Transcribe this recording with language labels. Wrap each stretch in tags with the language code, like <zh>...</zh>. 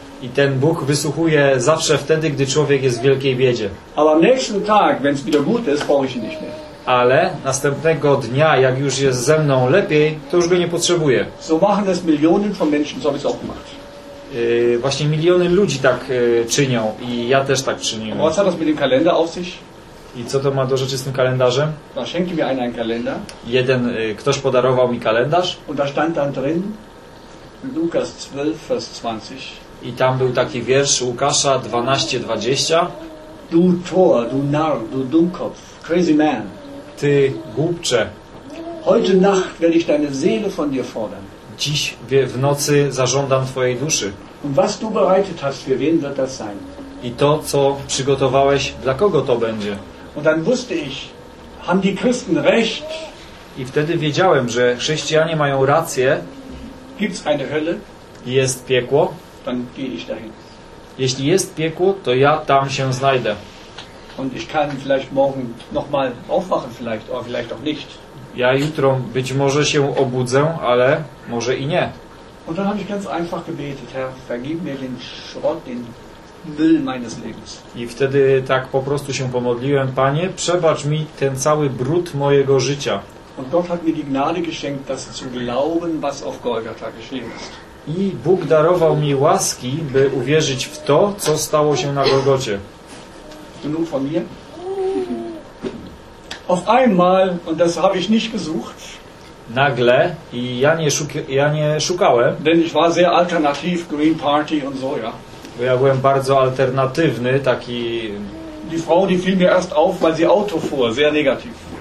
<pl>I ten Bóg wysłuchuje zawsze wtedy, gdy człowiek jest w wielkiej biedzie.</pl> <de>Ale am nächsten Tag, wenn es wieder gut ist, brauche ich ihn nicht mehr.</de> <pl>Ale następnego dnia, jak już jest ze mną lepiej, to już go nie potrzebuję.</pl> <de>So machen es Millionen von Menschen, so habe ich es auch gemacht.</de> <pl>Właśnie miliony ludzi tak czynią i ja też tak czyniłem.</pl> <de>Was hat das mit dem Kalender auf sich?</de> <pl>I co to ma do rzeczy z tym kalendarzem?</pl> <de>Da schenkte mir einer einen Kalender.</de> <pl>Jeden ktoś podarował mi kalendarz.</pl> <de>Und da stand dann drin Lukas 12 vers 20.</de> <pl>I tam był taki wiersz Łukasza 12:20.</pl> <de>Du Tor, du Narr, du Dummkopf,</de> <en>crazy man.</en> <pl>Ty głupcze.</pl> <de>Heute Nacht werde ich deine Seele von dir fordern.</de> <pl>Dziś w nocy zażądam twojej duszy.</pl> <de>Und was du bereitet hast, für wen wird das sein?</de> <pl>I to, co przygotowałeś, dla kogo to będzie?</pl> <de>Und dann wusste ich, haben die Christen recht?</de> <pl>I wtedy wiedziałem, że chrześcijanie mają rację.</pl> <de>Gibt's eine Hölle?</de> <pl>Jest piekło.</pl> <de>Dann gehe ich dahin.</de> <pl>Jeśli jest piekło, to ja tam się znajdę.</pl> <de>Und ich kann vielleicht morgen noch mal aufwachen, vielleicht, oder vielleicht auch nicht.</de> <pl>Ja jutro być może się obudzę, ale może i nie.</pl> <de>Und dann habe ich ganz einfach gebetet, Herr, vergib mir den Schrott, den Müll meines Lebens.</de> <pl>I wtedy tak po prostu się pomodliłem, Panie, przebacz mi ten cały brud mojego życia.</pl> <de>Und Gott hat mir die Gnade geschenkt, das zu glauben, was auf Golgatha geschehen ist.</de> <pl>I Bóg darował mi łaski, by uwierzyć w to, co stało się na Golgocie.</pl> <de>Genug von mir. Auf einmal, und das habe ich nicht gesucht.</de> <pl>Nagle, i ja nie szukałem.</pl> <de>Denn ich war sehr alternativ, Green Party und so, ja.</de> <pl>Bo ja byłem bardzo alternatywny, taki...</pl> <de>Die Frau, die fiel mir erst auf, weil sie Auto fuhr, sehr negativ.</de>